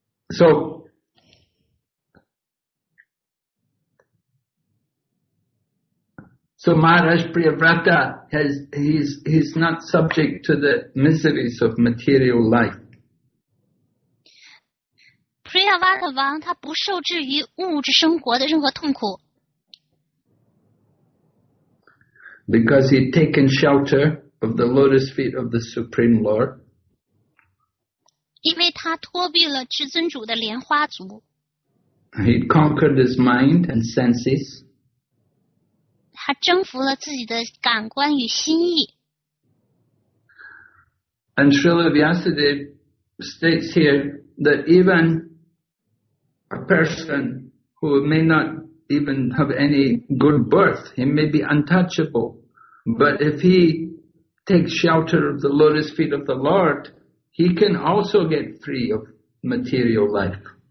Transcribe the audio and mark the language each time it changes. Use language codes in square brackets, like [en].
[en] So, Maharaj Priyavrata, he's not subject to the miseries of material life. [zh] Priyavrata 王他不受制于物质生活的任何痛苦。 [en] Because he'd taken shelter of the lotus feet of the Supreme Lord. [zh] 因为他脱避了至尊主的莲花足。 [en] He conquered his mind and senses. [zh] 他征服了自己的感官与心意。 [en] And Srila Vyasadeva states here that even a person who may not even have any good birth, he may be untouchable, but if he takes shelter of the lotus feet of the Lord,He can also get free of material life.